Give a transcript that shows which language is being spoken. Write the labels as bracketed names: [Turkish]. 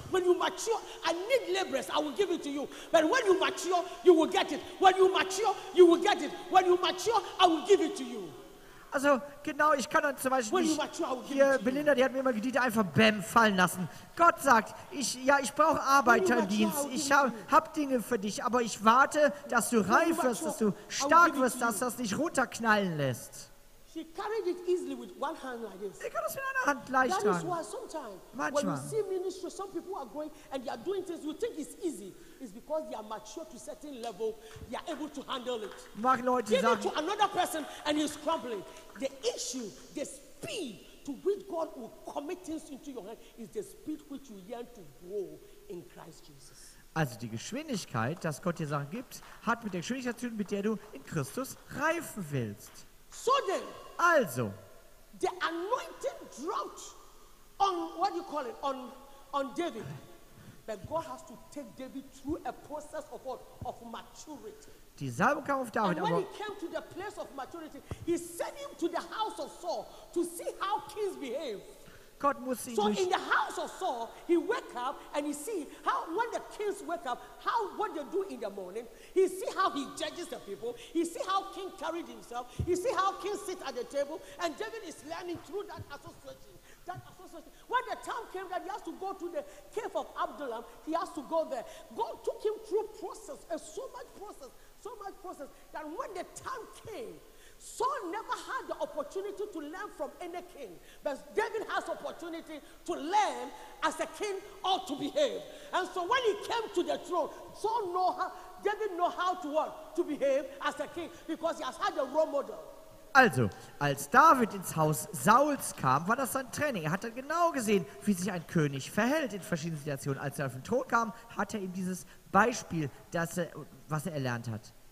[English] When you mature, I need laborers, I will give it to you. But when you mature, you will get it. When you mature, you will get it. When you mature, I will give it to you. [German] Also genau, ich kann dann zum Beispiel nicht hier Belinda, die hat mir immer gedient, einfach bam, fallen lassen. Gott sagt, ich brauche Arbeiter im Dienst, ich hab Dinge für dich, aber ich warte, dass du reif wirst, dass du stark wirst, dass das nicht runterknallen lässt. [English] She carried it easily with one hand like this. [German] Ich kann das mit einer Hand leicht tragen. [English] That is why sometimes [German] manchmal, [English] when you see ministry, some people are going and they are doing things you think is easy. It's because they are mature to a certain level, they are able to handle it. [German] Leute [English] give [German] sagen, [English] it to another person and he's crumbling. The issue, the speed to which God will commit things into your hand is the speed which you yearn to grow in Christ Jesus. [German] Also die Geschwindigkeit, dass Gott dir Sachen gibt, hat mit der Geschwindigkeit zu tun, mit der du in Christus reifen willst. [English] So then, [German] also, [English] the anointing dropped on what do you call it on David, but God has to take David through a process of what of maturity. [German] Die Salbung kam auf David, [English] and when he came to the place of maturity, he sent him to the house of Saul to see how kings behave. [German] Gott muss ihn [English] so in the house of Saul, he wake up and he see how when the kings wake up, how what they do in the morning. He see how he judges the people. He see how king carried himself. He see how king sit at the table. And David is learning through that association. That association. When the time came that he has to go to the cave of Adullam, he has to go there. God took him through process, so much process that when the time came, Saul never had the opportunity to learn from any king, but David has opportunity to learn as a king ought to behave. And so when he came to the throne, Saul know how, David know how to work, to behave as a king, because he has had a role model. [German] Also, als David ins Haus Sauls kam, war das sein Training. Er hat dann genau gesehen, wie sich ein König verhält in verschiedenen Situationen. Als er auf den Thron kam, hat er ihm dieses Beispiel, was er erlernt hat.